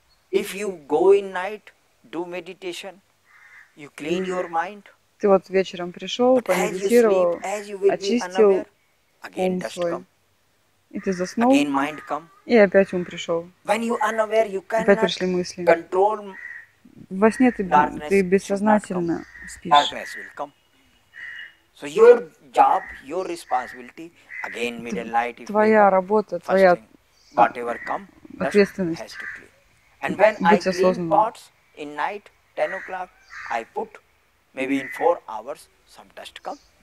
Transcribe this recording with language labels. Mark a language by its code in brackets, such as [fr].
[en] If you go in night, do meditation, you clean your mind. [ru] Ты вот вечером пришел, помедитировал, очистил ум свой, и ты заснул, [en] again mind come. [ru] И опять ум пришел. [en] When you unaware, you cannot [ru] опять пришли мысли. [en] Control [ru] во сне ты бессознательно спишь. [en] Darkness will come. So your job, your responsibility, again middle night. [ru] Твоя работа, твоя ответственность. [en] And when I clean pots in night, 10 o'clock, I put, maybe in 4 hours, some dust come.